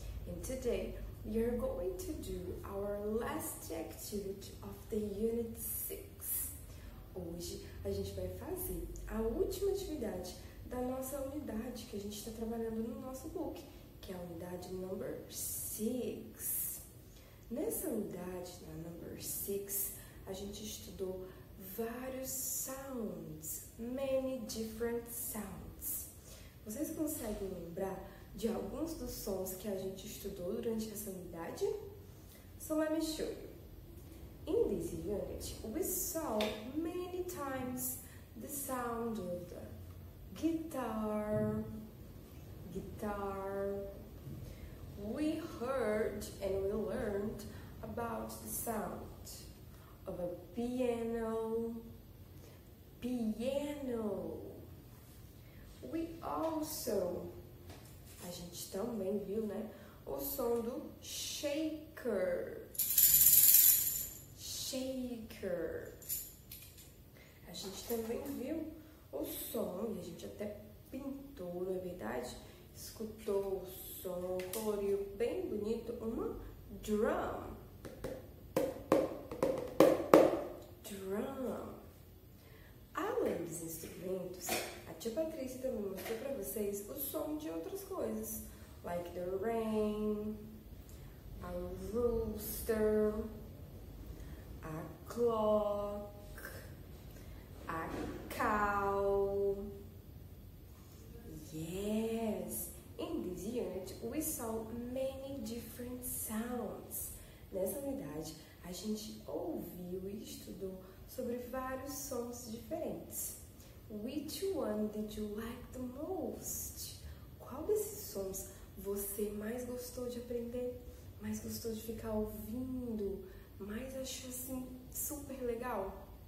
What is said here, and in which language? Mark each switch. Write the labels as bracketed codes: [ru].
[en] And today, we are going to do our last activity of the Unit 6. [pt] Hoje, a gente vai fazer a última atividade da nossa unidade que a gente está trabalhando no nosso book, que é a unidade number 6. Nessa unidade, na number 6, a gente estudou vários sounds, [en] many different sounds. [pt] Vocês conseguem lembrar de alguns dos sons que a gente estudou durante essa unidade? [en] So let me show you. In this unit, we saw many times the sound of the guitar, guitar. We heard and we learned about the sound of a piano, piano. We also, [pt] a gente também viu, né, o som do shaker, shaker. A gente também viu o som, e a gente até pintou, não é verdade? Escutou o som, coloriu bem bonito, uma drum. [en] Drum. [pt] Além dos instrumentos, a tia Patrícia também mostrou para vocês o som de outras coisas, [en] like the rain, a rooster, a clock, a cow. Yes, in this unit we saw many different sounds. [pt] Nessa unidade, a gente ouviu e estudou sobre vários sons diferentes. [en] Which one did you like the most? [pt] Qual desses sons você mais gostou de aprender? Mais gostou de ficar ouvindo? Mais achou assim super legal?